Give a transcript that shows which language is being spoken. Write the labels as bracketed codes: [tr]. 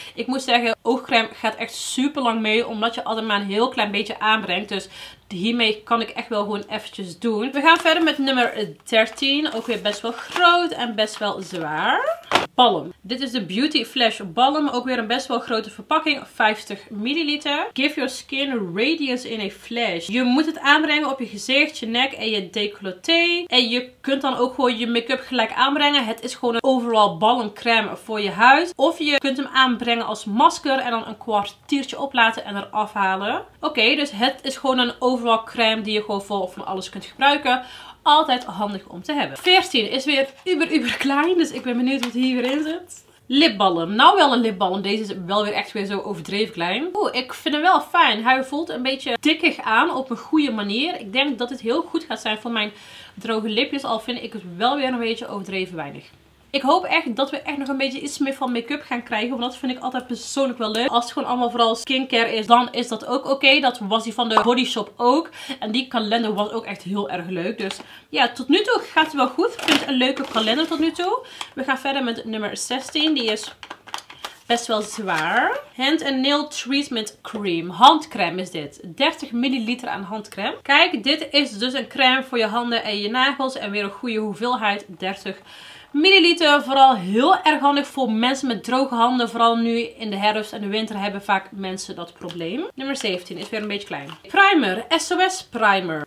[nl] Ik moet zeggen, oogcreme gaat echt super lang mee. Omdat je altijd maar een heel klein beetje aanbrengt. Dus hiermee kan ik echt wel gewoon eventjes doen. We gaan verder met nummer 13. Ook weer best wel groot en best wel zwaar. Balm. Dit is de Beauty Flash Balm. Ook weer een best wel grote verpakking. 50 ml. [en] Give your skin radiance in a flash. [nl] Je moet het aanbrengen op je gezicht, je nek en je décolleté. En je kunt dan ook gewoon je make-up gelijk aanbrengen. Het is gewoon een overall balmcreme voor je huid. Of je kunt hem aanbrengen als masker en dan een kwartiertje oplaten en eraf halen. Oké, dus het is gewoon een overall crème die je gewoon voor van alles kunt gebruiken. Altijd handig om te hebben. 14 is weer uber klein. Dus ik ben benieuwd wat hier weer in zit. Lipbalm. Nou wel een lipbalm. Deze is wel weer echt weer zo overdreven klein. Oeh, ik vind hem wel fijn. Hij voelt een beetje dikkig aan op een goede manier. Ik denk dat het heel goed gaat zijn voor mijn droge lipjes. Al vind ik het wel weer een beetje overdreven weinig. Ik hoop echt dat we echt nog een beetje iets meer van make-up gaan krijgen. Want dat vind ik altijd persoonlijk wel leuk. Als het gewoon allemaal vooral skincare is, dan is dat ook oké. Dat was die van de Body Shop ook. En die kalender was ook echt heel erg leuk. Dus ja, tot nu toe gaat het wel goed. Ik vind het een leuke kalender tot nu toe. We gaan verder met nummer 16. Die is best wel zwaar. Hand and Nail Treatment Cream. Handcreme is dit. 30 ml aan handcreme. Kijk, dit is dus een crème voor je handen en je nagels. En weer een goede hoeveelheid. 30 ml, vooral heel erg handig voor mensen met droge handen. Vooral nu in de herfst en de winter hebben vaak mensen dat probleem. Nummer 17 is weer een beetje klein. Primer, SOS primer.